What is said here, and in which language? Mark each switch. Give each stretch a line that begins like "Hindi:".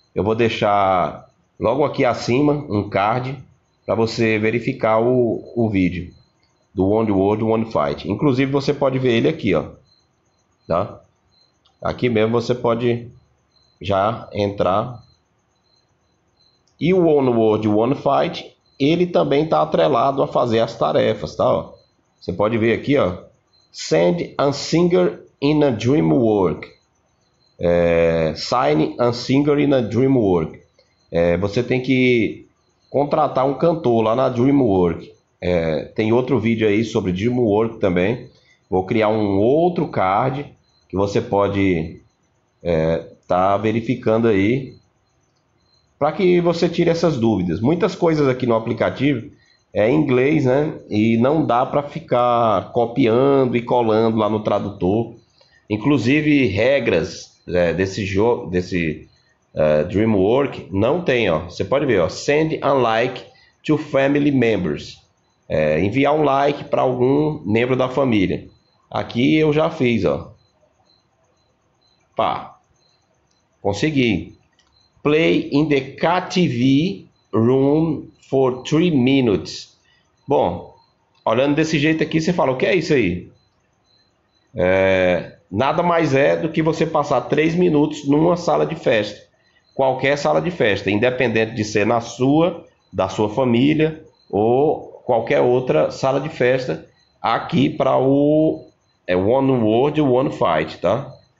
Portuguese: Eu vou deixar logo aqui acima um card para você verificar o vídeo do One World One Fight. Inclusive você pode ver ele aqui, ó, tá? Aqui mesmo você pode já entrar. E o One World One Fight, ele também está atrelado a fazer as tarefas, tá? Ó. Você pode ver aqui, ó.
English: Send a singer in a dream world. Sign a singer in a dream world.
Portuguese: Você tem que contratar um cantor lá na dream world. Tem outro vídeo aí sobre dream world também. Vou criar um outro card que você pode tá verificando aí para que você tire essas dúvidas. Muitas coisas aqui no aplicativo é em inglês, né? E não dá para ficar copiando e colando lá no tradutor. Inclusive regras desse jogo, desse DreamWorks não tem, ó. Você pode ver, ó.
English: Send a like to family members.
Portuguese: Enviar um like para algum membro da família. Aqui eu já fiz, ó. Pá. Consegui.
English: Play in the KTV room for 3 minutes.
Portuguese: Bom, olhando desse jeito aqui, você fala, o que é isso aí? Nada mais é do que você passar 3 minutos numa sala de festa. Qualquer sala de festa, independente de ser na sua, da sua família ou qualquer outra sala de festa aqui para o One World, One Fight, tá?